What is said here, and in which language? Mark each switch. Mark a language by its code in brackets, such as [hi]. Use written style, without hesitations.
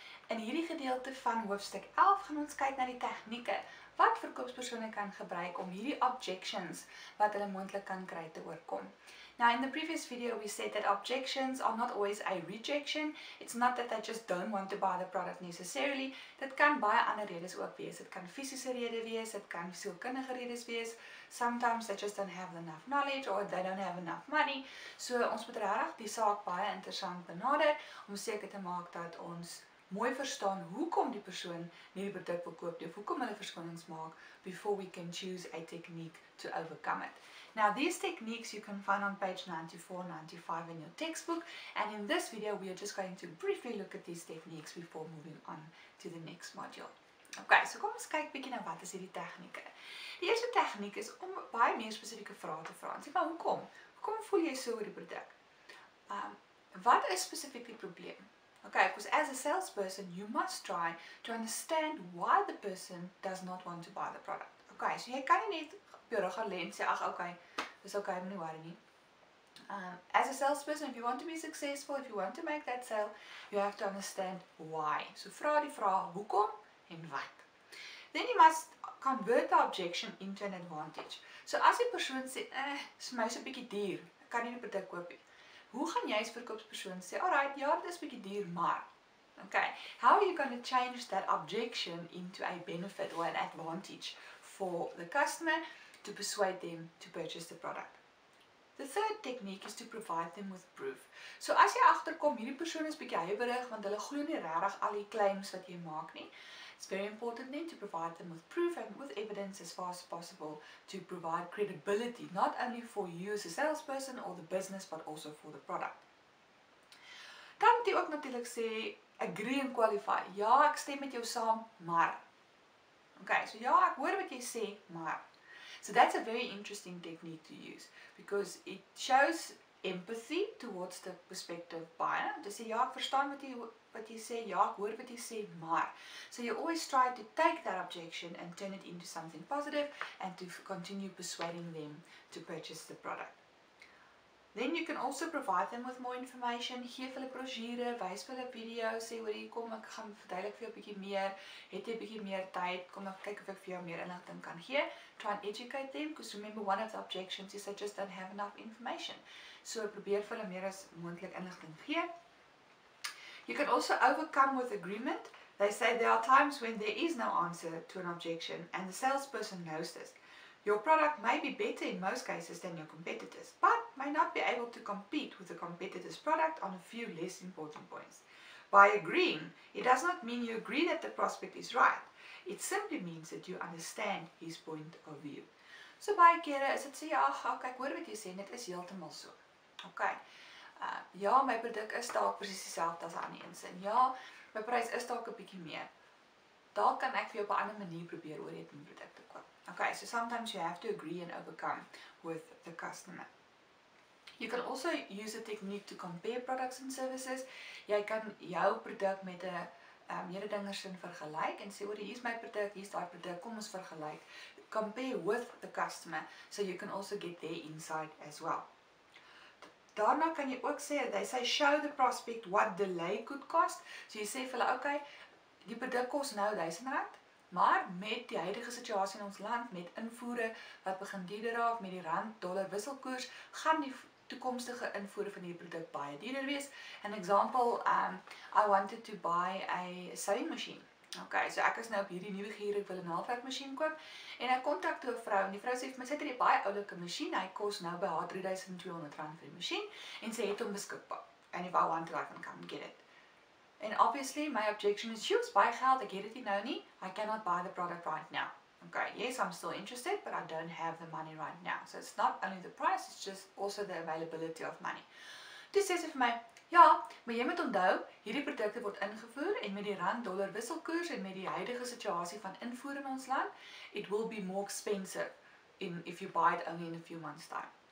[af] In hierdie gedeelte van hoofstuk 11 gaan ons kyk na die tegnieke wat verkoopspersone kan gebruik om hierdie objections wat hulle moontlik kan kry te oorkom. [en] Now in the previous video we said that objections are not always a rejection. It's not that they just don't want to buy the product necessarily. [af] Dit kan baie ander redes ook wees. Dit kan fisiese rede wees, dit kan sielkundige redes wees. [en] Sometimes they just don't have enough knowledge or they don't have enough money. [af] So ons moet regtig die saak baie interessant benader om seker te maak dat ons mooi verstaan hoekom die persoon nie die produk wil koop nie, hoekom hulle verskonings maak [en] before we can choose a technique to overcome it. Now these techniques you can find on page 94, 95 in your textbook, and in this video we are just going to briefly look at these techniques before moving on to the next module. [af] Okay, so kom ons kyk bietjie na wat is hierdie tegnieke. Die eerste tegniek is om baie meer spesifieke vrae te vra. Sê maar hoekom? Hoekom voel jy so oor die produk? Wat is spesifiek die probleem? [en] Okay, because as a salesperson, you must try to understand why the person does not want to buy the product. [af] Okay, so jy kan nie net op jou rug gaan lê en sê, ach, okay, dis okay, moenie worry nie. [en] As a salesperson, if you want to be successful, if you want to make that sale, you have to understand why. [af] So vra die vraag, hoekom en wat? [en] Then you must convert the objection into an advantage. [af] So as die persoon sê, is my so 'n bietjie duur, ek kan nie die product koop nie. Hoe gaan jy as verkoopspersoon sê, alright, ja, dit is bietjie duur, maar, okay, [en] how are you going to change that objection into a benefit or an advantage for the customer to persuade them to purchase the product? The third technique is to provide them with proof. [af] So as jy agterkom, hierdie persoon is bietjie huiwerig, want hulle glo nie regtig al die claims wat jy maak nie, [en] it's very important then to provide them with proof and with evidence as far as possible to provide credibility, not only for you as a salesperson or the business, but also for the product. [af] Dan moet jy ook natuurlik sê, [en] agree and qualify. [af] Ja, ek stem met jou saam, maar. Okay, so ja, ek hoor wat jy sê, maar. [en] So that's a very interesting technique to use because it shows empathy towards the prospective buyer. [af] To say, ja, ek verstaan wat jy sê, ja, ek hoor wat jy sê, maar. [en] So you always try to take that objection and turn it into something positive and to continue persuading them to purchase the product. Then you can also provide them with more information. [af] Gee vir hulle brosjure, wys vir hulle video, sê hoor hier kom, ek gaan verduidelik vir jou 'n bietjie meer. Het jy 'n bietjie meer tyd? Kom dan kyk of ek vir jou meer inligting kan gee. [en] Try and educate them, because remember one of the objections is they just don't have enough information. [af] So probeer vir hulle meer as moontlik inligting gee. [en] You can also overcome with agreement. They say there are times when there is no answer to an objection and the salesperson knows this. Your product may be better in most cases than your competitors, but may not be able to compete with the competitor's product on a few less important points. By agreeing, it does not mean you agree that the prospect is right. It simply means that you understand his point of view. [af] So baie kere is dit sê, ach, ek hoor wat jy sê, dit is heeltemal so. Okay. Ja, my produk is dalk presies dieselfde as aan die een sin. Ja, my prys is dalk 'n bietjie meer. Dalk kan ek vir jou op 'n ander manier probeer oor het my produk te koop. [en] Okay, so sometimes you have to agree and overcome with the customer. You can also use a technique to compare products and services. [af] Jy kan jou produk met 'n mededingersin vergelyk en sê, "Oor hier is my produk, hier is daai produk, kom ons vergelyk." [en] Compare with the customer, so you can also get their insight as well. [af] Daarna kan jy ook sê, [en] they say show the prospect what delay could cost. [af] So jy sê vir hulle, okay, die produk kos nou R1000, maar met die huidige situasie in ons land, met invoere wat begin duurder raak, met die rand-dollar wisselkoers, gaan die toekomstige invoere van die produk baie duurder wees. [en] An example, I wanted to buy a sewing machine. [af] Okay, so ek is nou op hierdie nuwe gier, ek wil 'n naaldwerkmasjien koop. En ek kontak toe 'n vrou en die vrou sê vir my, sy het hierdie baie oulike masjien, hy kos nou by haar R3200 vir die masjien en sy het hom beskikbaar. [en] And if I want to, I can come get it. And obviously, my objection is, she was [af] baie geld, ek het dit nie nou nie, [en] I cannot buy the product right now. Okay, yes, I'm still interested, but I don't have the money right now. So it's not only the price, it's just also the availability of money. [af] Toe sê sy vir my, ja, maar jy moet onthou, hierdie produkte word ingevoer en met die rand-dollar wisselkoers en met die huidige situasie van invoer in ons land, [en] it will be more expensive in, if you buy it only in a few months time.